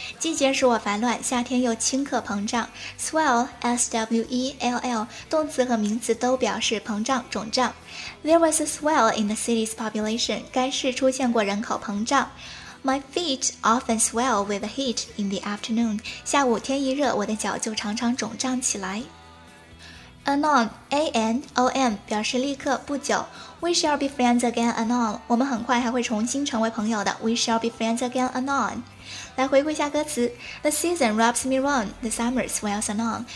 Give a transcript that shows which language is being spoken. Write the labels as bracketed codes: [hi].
[zh] 季节使我烦乱，夏天又顷刻膨胀。Swell, S-W-E-L-L, 动词和名词都表示膨胀、肿胀。 [en] There was a swell in the city's population. [zh] 该市出现过人口膨胀。 [en] My feet often swell with the heat in the afternoon. [zh] 下午天一热，我的脚就常常肿胀起来。Anon, A-N-O-N, 表示立刻、不久。 [en] We shall be friends again anon. [zh] 我们很快还会重新成为朋友的。 [en] We shall be friends again anon. [zh] 来回顾一下歌词。 [en] The season rubs me wrong, the summer swells anon.